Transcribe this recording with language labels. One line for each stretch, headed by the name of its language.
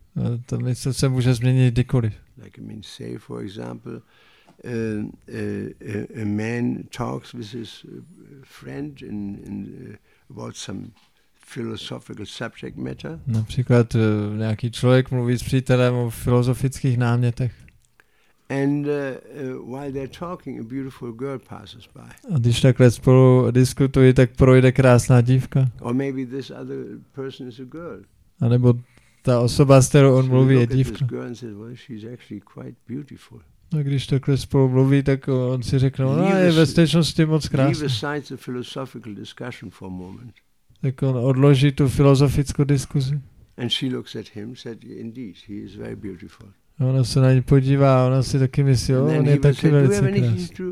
Czech: A ta mysl se může změnit kdykoliv.
English: Like, I mean, say for example, a man talks with his friend in about some philosophical subject matter.
Czech: Například nějaký člověk mluví s přítelem o filozofických námětech.
English: And while they're talking, a beautiful girl passes by.
Czech: A když takhle spolu diskutují, tak projde krásná dívka.
English: Or maybe this other person is a girl.
Czech: A nebo ta osoba, s kterou on mluví, je dívka.
English: Girl and says, well, she's actually quite beautiful.
Czech: A když takhle spolu mluví, tak on si řekne, no, je ve skutečnosti moc krásná.
English: Leave aside the philosophical discussion for a moment.
Czech: Tak on odloží tu filozofickou diskuzi.
English: And she looks at him, said, indeed, he is very beautiful.
Czech: Ona se na ně podívá, ona si taky myslí, jo, on je taky velice krásný.